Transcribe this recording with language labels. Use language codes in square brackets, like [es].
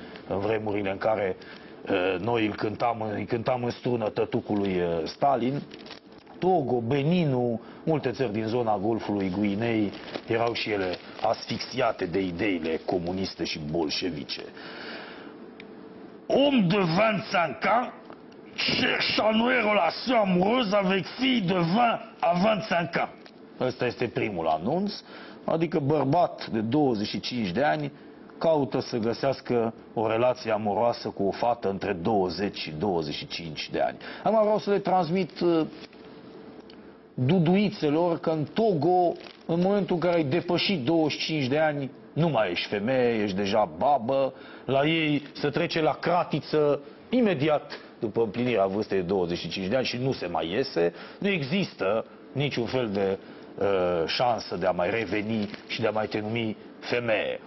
[ro] În vremurile în care noi îi cântam în strună tătucului Stalin. Togo, Beninul, multe țări din zona Golfului Guinei erau și ele asfixiate de ideile comuniste și bolșevice. [fr] Om de 25 ans cherche une nouvelle relation amoureuse avec fille de 20 à 25 ans. [ro] Ăsta este primul anunț, adică bărbat de 25 de ani caută să găsească o relație amoroasă cu o fată între 20 și 25 de ani. Am vreau să le transmit duduițelor că în Togo, în momentul în care ai depășit 25 de ani, nu mai ești femeie, ești deja babă, la ei se trece la cratiță imediat după împlinirea vârstei de 25 de ani și nu se mai iese, nu există niciun fel de șansă de a mai reveni și de a mai te numi femeie.